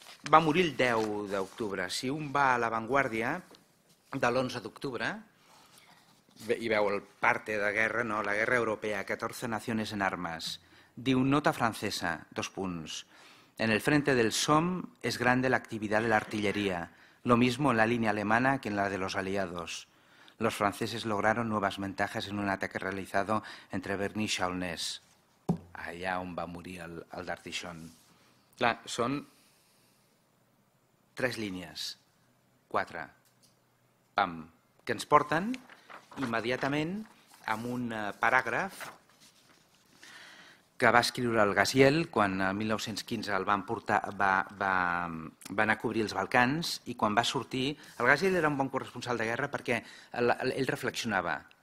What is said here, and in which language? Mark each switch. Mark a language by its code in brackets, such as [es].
[ca] Va morir el 10 d'octubre. Si un va a l'avantguàrdia de l'11 d'octubre, i veu el parte de guerra, no, la guerra europea, 14 naciones en armes, diu nota francesa, dos punts. [es] En el frente del Somme es grande la actividad de la artillería, lo mismo en la línea alemana que en la de los aliados. Los franceses lograron nuevas ventajas en un ataque realizado entre Verny y Chaulnes. [ca] Allà on va morir el d'Ardixon. Clar, són tres línies, quatre, pam, que ens porten immediatament amb un paràgraf que va escriure el Gaziel quan el 1915 el van portar, va anar a cobrir els Balcans i quan va sortir, el Gaziel era un bon corresponsal de guerra perquè ell reflexionava,